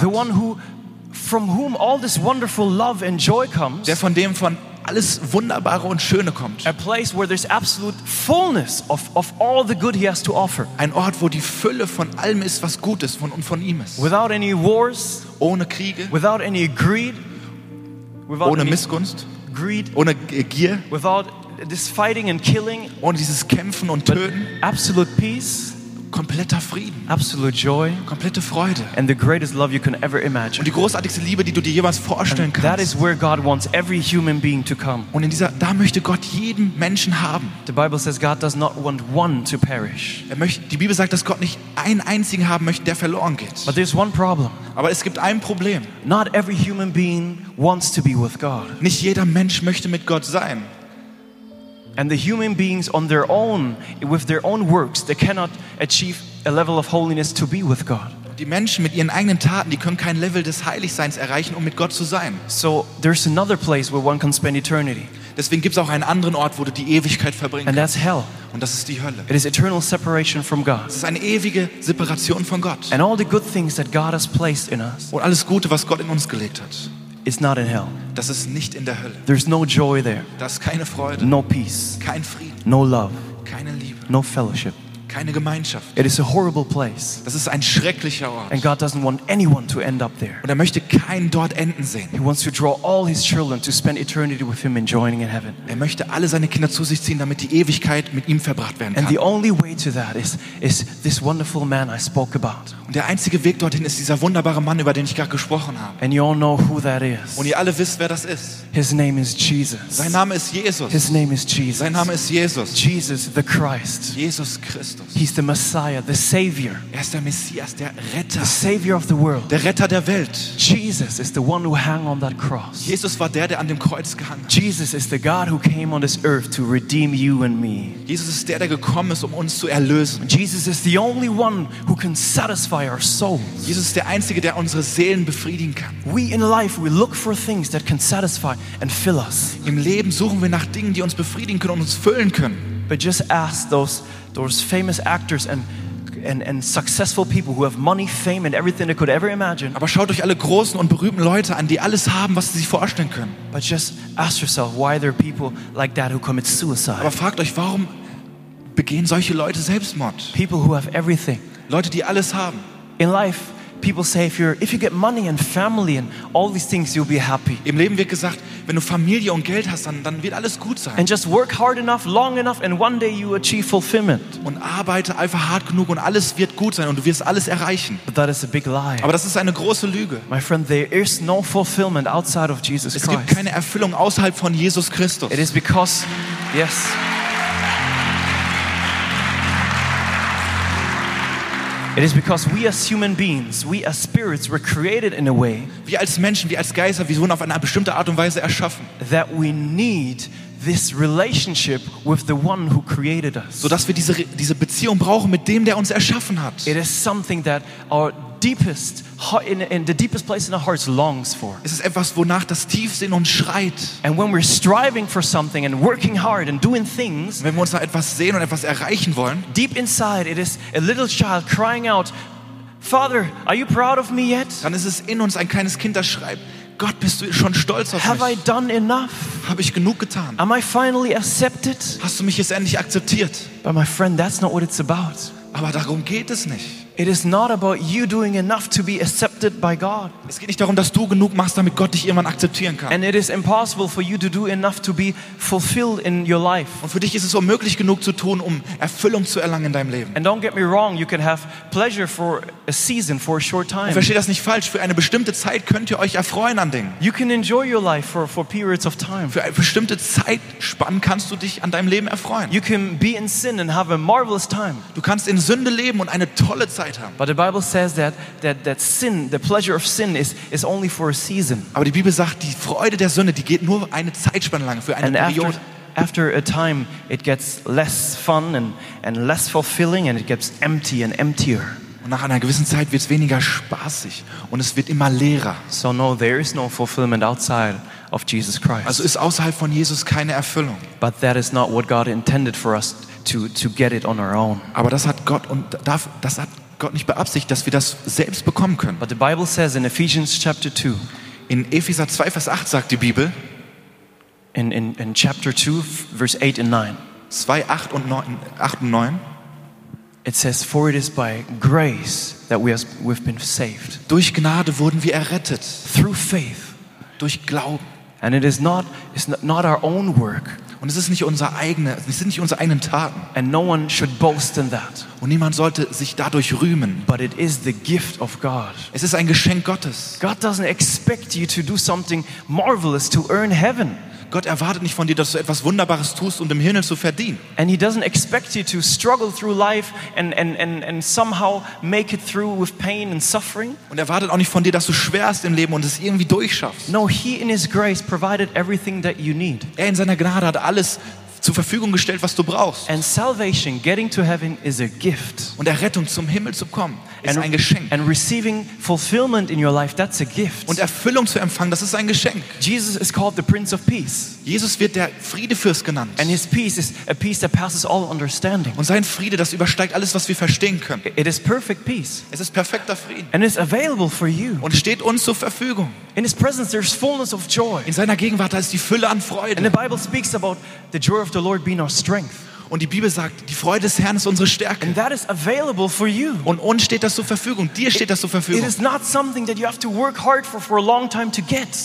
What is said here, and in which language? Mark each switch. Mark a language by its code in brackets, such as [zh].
[en] The one who, from whom all this wonderful love and joy comes. [de] Der von dem von alles Wunderbare und Schöne kommt. [en] A place where there's absolute fullness of all the good he has to offer. [de] Ein Ort, wo die Fülle von allem ist, was gut ist und von ihm ist. [en] Without any wars. [de] Ohne Kriege. [en] Without any greed. Without [de] ohne Missgunst. [en] Greed. [de] Ohne Gier. [en] Without this fighting and killing. [de] Ohne dieses Kämpfen und Töten. [en] Absolute peace. [de] Kompletter Frieden. [en] Absolute joy. [de] Komplette Freude. [en] And the greatest love you can ever imagine. [de] Und die großartigste Liebe, die du dir jemals vorstellen kannst. [en] That is where God wants every human being to come. [de] Und in dieser, da möchte Gott jeden Menschen haben. [en] The Bible says God does not want one to perish. [de] Er möchte, die Bibel sagt, dass Gott nicht einen einzigen haben möchte, der verloren geht. [en] But there's one problem. [de] Aber es gibt ein Problem. [en] Not every human being wants to be with God. [de] Nicht jeder Mensch möchte mit Gott sein. [en] And the human beings on their own, with their own works, they cannot achieve a level of holiness to be with God. [de] Die Menschen mit ihren eigenen Taten, die können kein Level des Heiligseins erreichen, um mit Gott zu sein. [en] So there's another place where one can spend eternity. [de] Deswegen gibt's auch einen anderen Ort, wo du die Ewigkeit verbringen kannst. [en] And that's hell. [de] Und das ist die Hölle. [en] It is eternal separation from God. [de] Es ist eine ewige Separation von Gott. [en] And all the good things that God has placed in us. [de] Und alles Gute, was Gott in uns gelegt hat. [en] It's not in hell. [de] Das ist nicht in der Hölle. [en] There's no joy there. [de] Das ist keine Freude. [en] No peace. [de] Kein Frieden. [en] No love. [de] Keine Liebe. [en] No fellowship. [de] Keine Gemeinschaft. [en] It is a horrible place. [de] Das ist ein schrecklicher Ort. [en] And God doesn't want anyone to end up there. [de] Und er möchte keinen dort enden sehen. [en] He wants to draw all his children to spend eternity with him, enjoying in heaven. [de] Er möchte alle seine Kinder zu sich ziehen, damit die Ewigkeit mit ihm verbracht werden kann. [en] And the only way to that is this wonderful man I spoke about. [de] Und der einzige Weg dorthin ist dieser wunderbare Mann, über den ich gerade gesprochen habe. [en] And you all know who that is. [de] Und ihr alle wisst, wer das ist. [en] His name is Jesus. [de] Sein Name ist Jesus. [en] His name is Jesus. [de] Sein Name ist Jesus. [en] Jesus the Christ. [de] Jesus Christus. [en] He's the Messiah, the Savior. [de] Er ist der Messias, der Retter. [en] The Savior of the world. [de] Der Retter der Welt. [en] Jesus is the one who hung on that cross. [de] Jesus war der an dem Kreuz gehangen. [en] Jesus is the God who came on this earth to redeem you and me. [de] Jesus ist der gekommen ist, um uns zu erlösen. [en] Jesus is the only one who can satisfy our souls. [de] Jesus ist der einzige, der unsere Seelen befriedigen kann. [en] We in life we look for things that can satisfy and fill us. [de] Im Leben suchen wir nach Dingen, die uns befriedigen können und uns füllen können. [en] But just ask those famous actors and successful people who have money, fame and everything they could ever imagine. [de] Aber schaut euch alle großen und berühmten Leute an, die alles haben, was sie sich vorstellen können. [en] But just ask yourself why there are people like that who commit suicide. [de] Aber fragt euch, warum begehen solche Leute Selbstmord? [en] People who have everything. [de] Leute, die alles haben. [en] In life people say if you get money and family and all these things you'll be happy. [de] Im Leben wird gesagt, wenn du Familie und Geld hast, dann wird alles gut sein. [en] And just work hard enough, long enough and one day you achieve fulfillment. [de] Und arbeite einfach hart genug und alles wird gut sein und du wirst alles erreichen. [en] But that is a big lie. [de] Aber das ist eine große Lüge. [en] My friend, there is no fulfillment outside of Jesus Christ. [de] Es gibt keine Erfüllung außerhalb von Jesus Christus. [en] It is because yes. It is because we as human beings, we as spirits were created in a way. [de] Wir als Menschen, wir als Geister, wir wurden auf eine bestimmte Art und Weise erschaffen. [en] That we need this relationship with the one who created us. [de] So dass wir diese Beziehung brauchen mit dem, der uns erschaffen hat. [en] It is something that our deepest in the deepest place in our hearts longs for. [de] Es ist etwas, wonach das tiefste in uns schreit. [en] And when we're striving for something and working hard and doing things, [de] wenn wir uns nach etwas sehen und etwas erreichen wollen, [en] deep inside it is a little child crying out, Father, are you proud of me yet? [de] Dann ist es in uns ein kleines Kind, das schreit, Gott, bist du schon stolz auf [en] Have [de] mich? [en] I done enough? [de] Habe ich genug getan? [en] Am I finally accepted? [de] Hast du mich jetzt endlich akzeptiert? [en] But my friend, that's not what it's about. [de] Aber darum geht es nicht. [en] It is not about you doing enough to be accepted by God. [de] Es geht nicht darum, dass du genug machst, damit Gott dich irgendwann akzeptieren kann. [en] And it is impossible for you to do enough to be fulfilled in your life. [de] Und für dich ist es unmöglich genug zu tun, um Erfüllung zu erlangen in deinem Leben. [en] And don't get me wrong, you can have pleasure for a season, for a short time. [de] Und versteh das nicht falsch, für eine bestimmte Zeit könnt ihr euch erfreuen an Dingen. [en] You can enjoy your life for periods of time. [de] Für eine bestimmte Zeitspanne kannst du dich an deinem Leben erfreuen. [en] You can be in sin and have a marvelous time. [de] Du kannst in Sünde leben und eine tolle Zeit weiter. [en] But the Bible says that sin, the pleasure of sin is only for a season. [de] Aber die Bibel sagt, die Freude der Sünde, die geht nur eine Zeitspanne lang, für eine [en] and [de] Periode. [en] After a time it gets less fun and less fulfilling and it gets empty and emptier. [de] Und nach einer gewissen Zeit wird es weniger spaßig und es wird immer leerer. [en] So no, there is no fulfillment outside of Jesus Christ. [de] Also ist außerhalb von Jesus keine Erfüllung. [en] But that is not what God intended for us to get it on our own. [de] Aber das hat Gott und darf das hat Gott nicht beabsichtigt, dass wir das selbst bekommen können. [en] But the Bible says in Ephesians chapter 2. [de] In Epheser 2 Vers 8 sagt die Bibel [en] in chapter 2 verse 8 and 9. [de] 2 8 und 9 8 und 9. [en] It says, for it is by grace that we've been saved. [de] Durch Gnade wurden wir errettet. [en] Through faith. [de] Durch Glauben. [en] And it is not, it's not our own work. [de] Und es ist nicht unser eigene, es sind nicht unsere eigenen Taten. [en] And no one should boast in that. [de] Und niemand sollte sich dadurch rühmen. [en] But it is the gift of God. [de] Es ist ein Geschenk Gottes. [en] God doesn't expect you to do something marvelous to earn heaven. [de] Gott erwartet nicht von dir, dass du etwas Wunderbares tust, um im Himmel zu verdienen. [en] And he doesn't expect you to struggle through life and somehow make it through with pain and suffering. [de] Und erwartet auch nicht von dir, dass du schwer hast im Leben und es irgendwie durchschaffst. [en] No, he in his grace provided everything that you need. [de] Er in seiner Gnade hat alles zur Verfügung gestellt, was du brauchst. [en] And salvation, getting to heaven, is a gift. [de] Und Errettung zum Himmel zu kommen, ist ein Geschenk. [en] And receiving fulfillment in your life, that's a gift. [de] Und Erfüllung zu empfangen, das ist ein Geschenk. [en] Jesus is called the Prince of Peace. [de] Jesus wird der Friedefürst genannt. [en] And his peace is a peace that passes all understanding. [de] Und sein Friede, das übersteigt alles, was wir verstehen können. [en] It is perfect peace. [de] Es ist perfekter Frieden. [en] And it's available for you. [de] Und steht uns zur Verfügung. [en] In his presence there's fullness of joy. [de] In seiner Gegenwart, da ist die Fülle an Freude. [en] And the Bible speaks about the joy of the Lord being our strength. [de] Und die Bibel sagt, die Freude des Herrn ist unsere Stärke. [en] And that is available for you. [de] Und uns steht das zur Verfügung. Dir steht das zur Verfügung. [en] It is not something that you have to work hard for a long time to get.